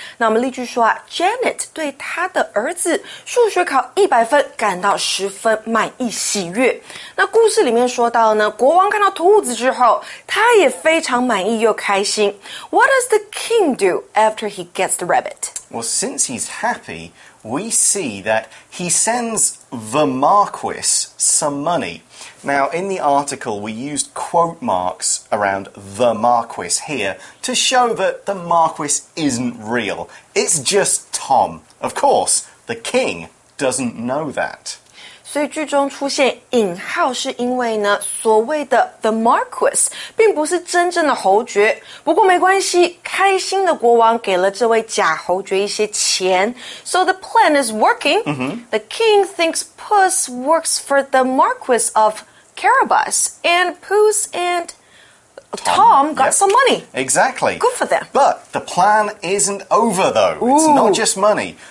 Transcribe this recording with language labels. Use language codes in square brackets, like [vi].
[zh] 那我们例句说啊 ，Janet 对她的儿子数学考100分感到十分满意、喜悦。那故事里面说到呢，国王看到兔子之后，他也非常满意又开心。 [en] What does the king do after he gets the rabbit? Well, since he's happy. We see that he sends the Marquis some money. Now, in the article, we used quote marks around the Marquis here to show that the Marquis isn't real. It's just Tom. Of course, the king doesn't know that. [zh] 所以句中出现引号是因为呢，所谓的 the Marquis 并不是真正的侯爵。不过没关系，开心的国王给了这位假侯爵一些钱。 [en] So the plan is working.、The king thinks Puss works for the Marquis of Carabas, and Puss and Tom got、some money. Exactly. Good for them. But the plan isn't over, though.、It's not just money.